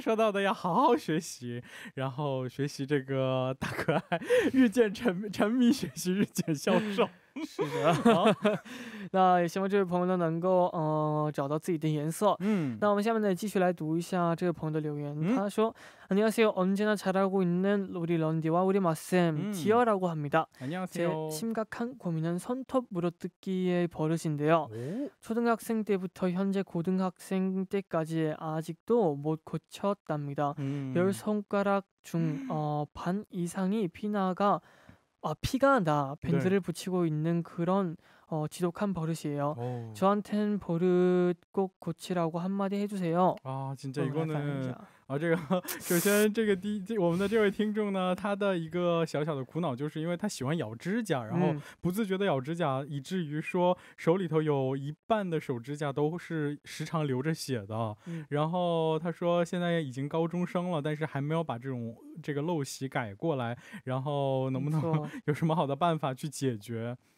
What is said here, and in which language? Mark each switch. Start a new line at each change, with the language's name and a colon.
Chinese: 说到的要好好学习，然后学习这个大可爱日渐沉迷学习日渐消瘦，是的。那也希望这位朋友呢能够找到自己的颜色。那我们下面呢继续来读一下这位朋友的留言，他说
Korean: 안녕하세요. 언제나 잘하고 있는 우리 런디와 우리 마쌤 티어라고 합니다. 안녕하세요. 제 심각한 고민은 손톱 물어뜯기의 버릇인데요. 초등학생 때부터 현재 고등학생 때까지 아직도 못 고쳤답니다. 열 손가락 중 반 이상이 피가 나 밴드를 네. 붙이고 있는 그런 지독한 버릇이에요. 오. 저한테는 버릇 꼭 고치라고 한마디 해주세요. 아 진짜 이거는
Chinese: 啊，这个首先这个第一，我们的这位听众呢，他的一个小小的苦恼就是因为他喜欢咬指甲，然后不自觉的咬指甲，以至于说手里头有一半的手指甲都是时常流着血的。然后他说现在已经高中生了，但是还没有把这种这个陋习改过来。然后能不能有什么好的办法去解决？